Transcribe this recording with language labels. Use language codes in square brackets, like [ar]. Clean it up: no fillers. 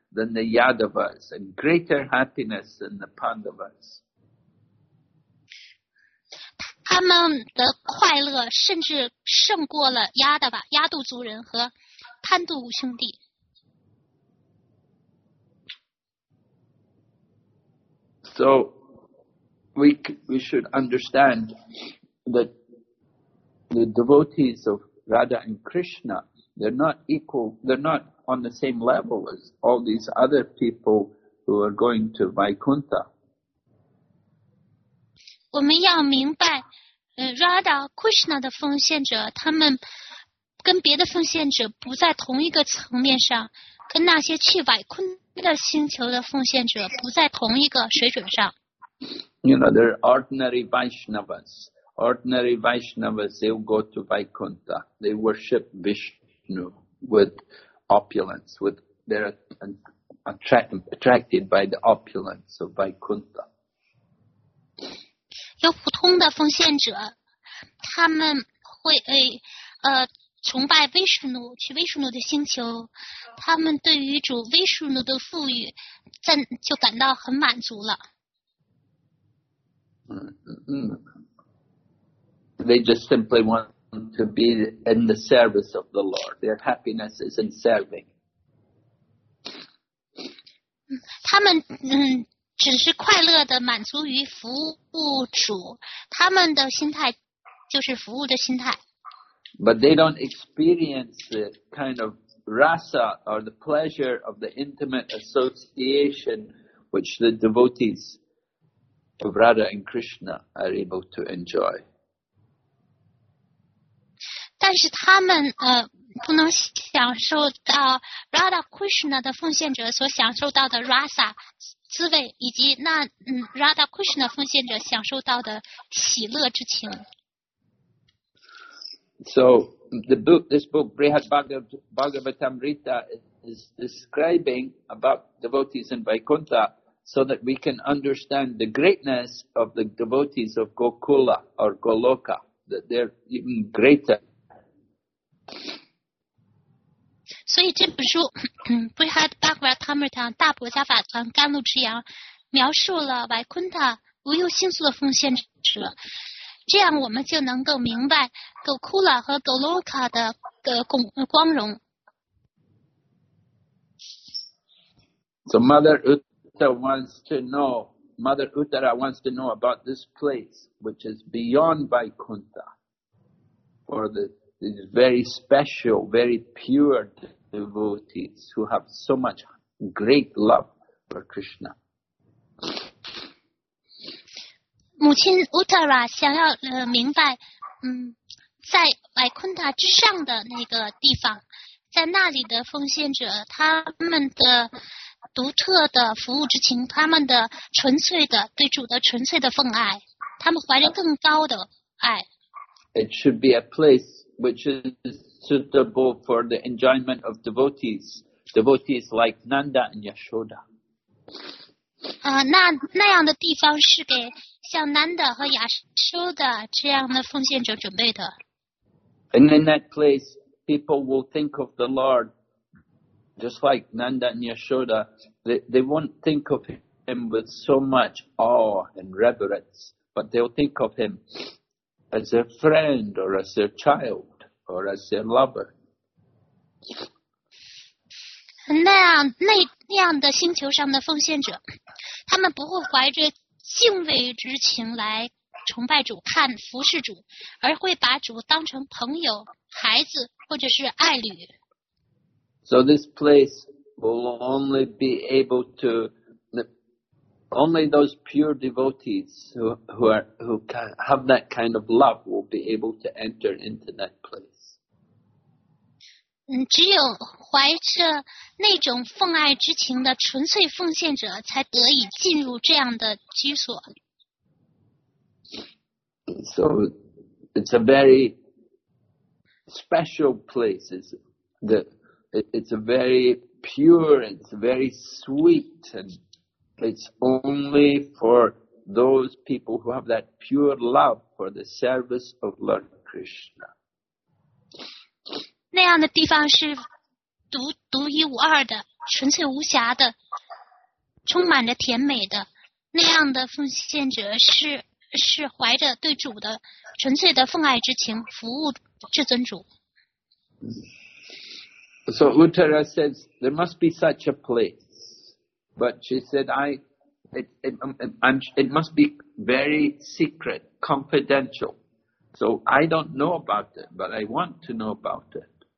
[en] Than the Yadavas and greater happiness than the Pandavas. [zh] 他们的快乐甚至胜过了亚达瓦、亚杜族人和潘杜五兄弟。 [en] So we should understand that the devotees of Radha and Krishna, they're not equal, they're not. On the same level as all these other people who are going to Vaikuntha. [zh] 我们要明白， Radha Krishna 的奉献者，他们跟别的奉献者不在同一个层面上，跟那些去外昆的星球的奉献者不在同一个水准上。 [en] You know, they're ordinary Vaishnavas. Ordinary Vaishnavas, they'll go to Vaikuntha. They worship Vishnu with opulence. With they're attracted by the opulence of Vaikuntha. [zh] 有普通的奉献者，他们会崇拜 Vishnu， 去 Vishnu 的星球，他们对于主 Vishnu 的赋予，就感到很满足了。 [en] They just simply want to be in the service of the Lord. Their happiness is in serving. [zh] 他们只是快乐的满足于服务主，他们的心态就是服务的心态。 [en] But they don't experience the kind of rasa or the pleasure of the intimate association which the devotees. Of Radha and Krishna are able to enjoy. [zh] 但是他们不能享受到 Radha Krishna 的奉献者所享受到的 rasa 滋味，以及那Radha Krishna 奉献者享受到的喜乐之情。 [en] So the book, this book, Brihad Bhagavatamrita, is describing about devotees in Vaikuntha. So that we can understand the greatness of the devotees of Gokula or Goloka, that they're even greater. [zh] 所以这本书《Brihad Bhagavatamrita》大伯加法藏甘露之阳描述了维昆塔无忧星宿的奉献者，这样我们就能够明白 Gokula 和 Goloka 的光荣。 [en] So Mother Uttara wants to know, Mother Uttara wants to know about this place which is beyond Vaikuntha for the very special, very pure devotees who have so much great love for Krishna. [zh] 母亲 Uttara 想要明白在 Vaikuntha 之上的那个地方，在那里的奉献者他们的独特的服务之情，他们的纯粹的对主的纯粹的奉爱，他们怀着更高的爱。 [en] It should be a place which is suitable for the enjoyment of devotees, devotees like Nanda and Yashoda. [zh] 那样的地方是给像 Nanda 和 Yashoda 这样的奉献者准备的。 [en] And in that place, people will think of the Lord. Just like Nanda and Yashoda, they won't think of him with so much awe and reverence, but they'll think of him as their friend or as their child or as their lover. [zh] 那样的星球上的奉献者，他们不会怀着敬畏之情来崇拜主、看服侍主，而会把主当成朋友、孩子或者是爱侣。 [en] So this place will only be able to, only those pure devotees who have that kind of love will be able to enter into that place. [zh] 只有怀着那种奉爱之情的纯粹奉献者才得以进入这样的居所。 [en] So it's a very special place, is the,It's a very pure, it's very sweet, and it's only for those people who have that pure love for the service of Lord Krishna. [zh] 那样的地方是独一无二的，纯粹无瑕的，充满着甜美的。那样的奉献者是怀着对主的纯粹的奉爱之情，服务至尊主。 [en] So Uttara says, there must be such a place. But she said, it must be very secret, confidential. So I don't know about it, but I want to know about it.